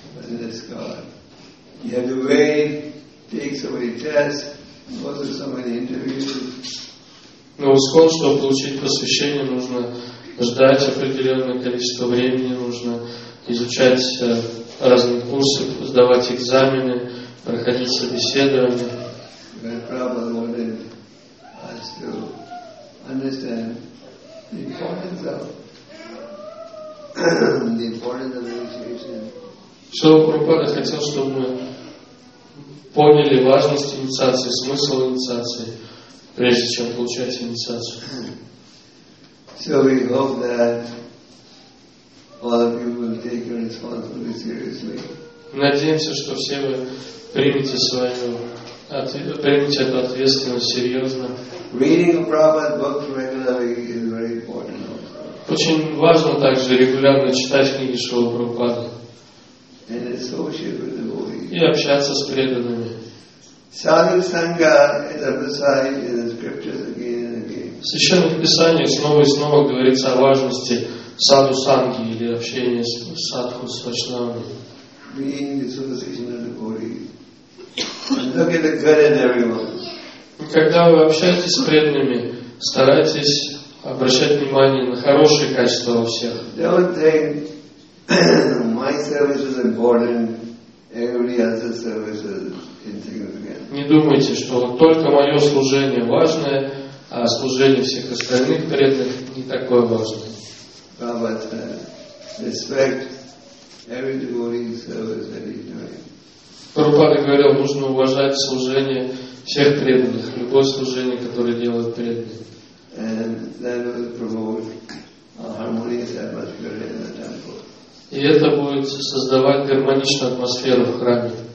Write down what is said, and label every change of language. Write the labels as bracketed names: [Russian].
[English] Let's go. You have to wait, take so many tests, go through so many interviews. [Russian] Но ускон, чтобы получить посвящение, нужно ждать определенное количество времени, нужно изучать разные курсы, сдавать экзамены, проходить собеседование. [English] When Prabhupada wanted us to understand the importance of initiation. [Russian] Шрила Прабхупада хотел, чтобы мы поняли важность инициации, смысл инициации, прежде чем получать инициацию. [English] So we hope that all of you will take your responsibility seriously. [Russian] Надеемся, что все вы примете эту ответственность серьезно. [English] Reading a Prabhupada book regularly is very important also. [Russian] Очень важно также регулярно читать книги Шрилы Прабхупады. [English] And associate with the devotees. [Russian] И общаться с преданными. [English] Sadhu Sangha is emphasized in the scriptures again and again. [Russian] В Священных Писаниях снова и снова говорится о важности Sadhu Sangha или общения с Садху с Вайшнавами. [English] Being the association of the devotees. Look at the good in everyone. [Russian] Когда вы общаетесь с преданными, старайтесь обращать внимание на хорошие качества во всех. [English] Don't think my service is important, every other service is insignificant. [Russian] Не думайте, что только мое служение важное, а служение всех остальных преданных не такое важное. [English] Prabhupada, respect every devotee's service that he's doing. [Russian] Прабхупада говорил, нужно уважать служение всех преданных, любое служение, которое делают преданные. [English] And that will promote a harmonious atmosphere in the temple. [Russian] И это будет создавать гармоничную атмосферу в храме.